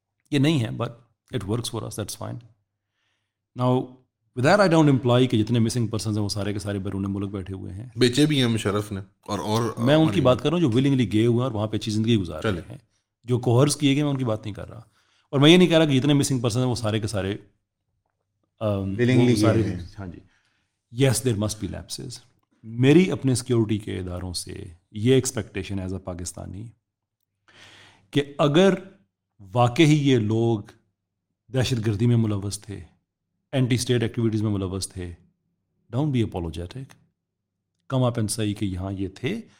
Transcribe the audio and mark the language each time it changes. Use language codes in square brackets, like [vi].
[ur] یہ نہیں ہے, [en] But it works for us, that's fine. Now with that I don't employ [ur] کہ جتنے مسنگ پرسنز ہیں وہ سارے کے سارے بیرون ملک بیٹھے ہوئے ہیں, بیچے بھی ہیں مشرف نے, اور میں ان کی بات کر رہا ہوں جو ولنگلی گئے ہوئے ہیں اور وہاں پہ اچھی زندگی گزار رہے ہیں. جو کوہرس کیے گئے میں ان کی بات نہیں کر رہا, اور میں یہ نہیں کہہ رہا کہ جتنے مسنگ پرسن ہیں وہ سارے کے سارے ولنگلی. ہاں جی, [en] Yes, there must be lapses. [ur] میری اپنے سیکیورٹی کے اداروں سے یہ ایکسپیکٹیشن [en] as a Pakistani [ur] کہ اگر واقعی یہ لوگ دہشت گردی میں ملوث تھے, اینٹی اسٹیٹ ایکٹیویٹیز میں ملوث تھے, [en] don't be apologetic, come up and سے [ur] کہ یہاں یہ تھے.